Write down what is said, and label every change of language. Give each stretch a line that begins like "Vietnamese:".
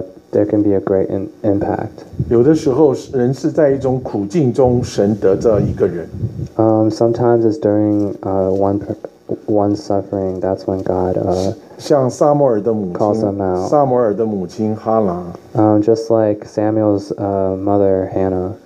English: There can be a great impact.
Chinese: 有的时候人是在一种苦境中神得到一个人。
English: Sometimes it's during one suffering that's when God
Chinese: 像撒摩尔的母亲，撒摩尔的母亲哈拉。
English: Just like Samuel's mother Hannah.